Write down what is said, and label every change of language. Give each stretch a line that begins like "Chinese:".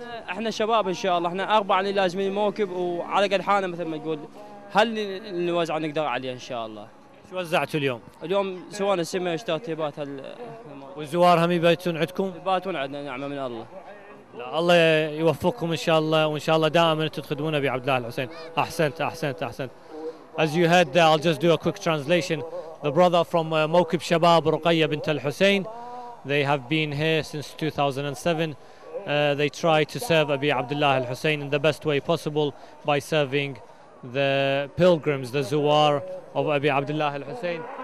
Arabic: احنا شباب ان شاء الله، احنا اربع اللي لازمين موكب وعلى قد حالنا مثل ما يقول، هل نوزع نقدر عليه ان شاء الله. شو وزعتوا اليوم؟ اليوم سوينا السمه واشتاتيبات هال. والزوار هم يباتون عندكم؟ يباتون عندنا نعمه من الله. لا الله يوفقكم ان شاء الله، وان شاء الله دائما انتم تخدمون ابي عبد الله الحسين. احسنت احسنت احسنت.
English: As you heard there, I'll just do a quick translation. The brother from موكب شباب رقيه بنت الحسين. They have been here since 2007. They try to serve Abi Abdullah al-Hussein in the best way possible by serving the pilgrims, the Zuwar of Abi Abdullah al-Hussein.